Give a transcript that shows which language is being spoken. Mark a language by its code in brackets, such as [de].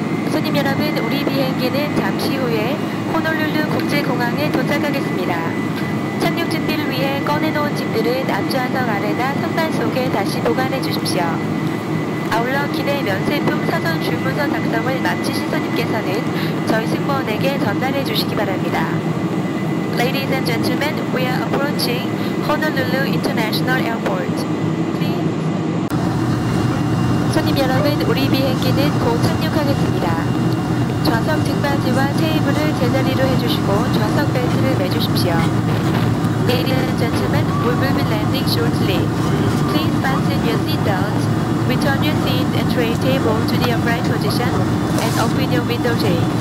[ko] 손님 여러분, 우리 비행기는 잠시 후에 호놀룰루 국제공항에 도착하겠습니다. 착륙 준비를 위해 꺼내놓은 짐들은 앞좌석 아래나 선반 속에 다시 보관해 주십시오. 아울러 기내 면세품 사전 주문서 작성을 마치신 손님께서는 저희 승무원에게 전달해 주시기 바랍니다. [en] Ladies and gentlemen, we are approaching Honolulu International Airport. [ko] 손님 여러분, 우리 비행기는 곧 착륙하겠습니다. 좌석 등받이와 테이블을 제자리로 해주시고 좌석 벨트를 매주십시오. [en] Ladies and gentlemen, we will be landing shortly. Please fasten your seatbelts, return your seat and tray table to the upright position, and open your window tray.